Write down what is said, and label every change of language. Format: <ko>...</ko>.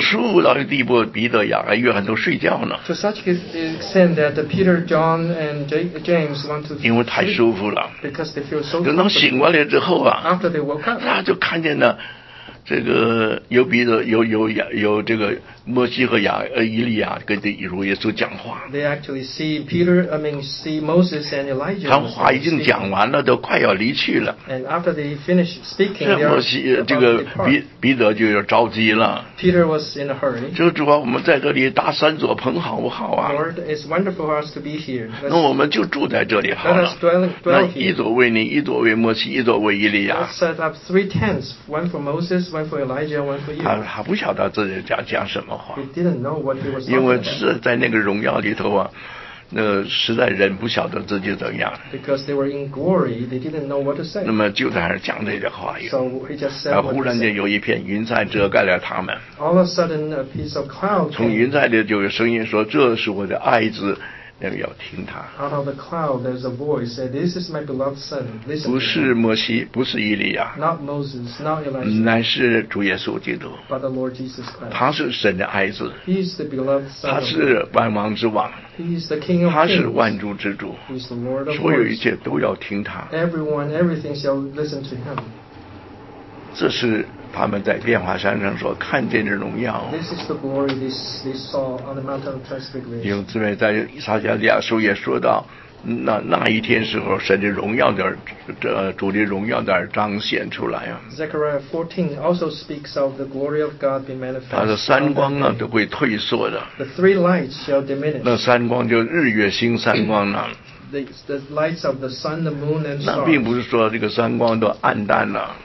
<zh>舒服到一个地步，彼得、雅各、约翰都睡觉呢。</zh> <en>To such extent that the Peter, John, and James want to.</en> <zh>因为太舒服了。</zh> <en>Because they feel so.</en> <zh>等到醒过来之后啊。</zh> <en>After they woke up.</en> <zh>那就看见了。这个有彼得有这个摩西和以利亚跟这主耶稣讲话。</zh> <en>They actually see Peter, I mean see Moses and Elijah.</en> <zh>他们话已经讲完了，都快要离去了。</zh> <en>And after they finish speaking, 这</en> <zh>摩西这个彼得就要着急了。</zh> <en>Peter was in a hurry.</en> <zh>就主啊，我们在这里搭三座棚好不好啊</zh> <en>？Lord, it's wonderful for us to be here.</en> <zh>那我们就住在这里好了。</zh> <en>Let us dwell here.</en> <zh>那一座为你，一座为摩西，一座为以利亚。</zh> <en>Let's set up three tents, one for Moses. One for Elijah, one for you.</en> <zh>他不晓得自己讲什么话。</zh> <en>He didn't know what he was saying.</en> <zh>因为是在那个荣耀里头啊，那实在人不晓得自己怎样。</zh> <en>Because they were in glory, they didn't know what to say.</en> <zh>那么就在那儿讲这些话。</zh> <en>So he just said what to say.</en> <zh>忽然间有一片云彩遮盖了他们。</zh> <en>All of a sudden, a piece of cloud came.</en> <zh>从云彩里就有声音说：“这是我的爱子。” 那个要听他。</zh> <en>Out of the cloud, there's a voice said, "This is my beloved son." Listen.</en> <zh>不是摩西，不是以利亚。</zh> <en>Not Moses, not Elijah.</en> <zh>乃是主耶稣基督。</zh> <en>But the Lord Jesus Christ.</en> <zh>他是神的爱子。</zh> <en>He is the beloved son.</en> <zh>他是万王之王。</zh> <en>He is the King of kings.</en> <zh>他是万主之主。</zh> <en>He is the Lord of lords.</en> <zh>所有一切都要听他。</zh> <en>Everyone, everything shall listen to him.</en> <zh>这是他们在变化山上所看见的荣耀。</zh> <en>This is the glory they saw on the mountain of transfiguration.</en> <zh>因此，在撒迦利亚书也说到，那一天时候，神的荣耀主的荣耀在彰显出来啊。</zh> <en>Zechariah 14 also speaks of the glory of God being manifest.</en> <zh>它的三光呢都会退缩的。</zh> <en>The three lights shall diminish.</en> <zh>那三光就日月星三光呢。</zh> <en>The lights of the sun, the moon, and stars.</en> <zh>那并不是说这个三光都暗淡了。</zh>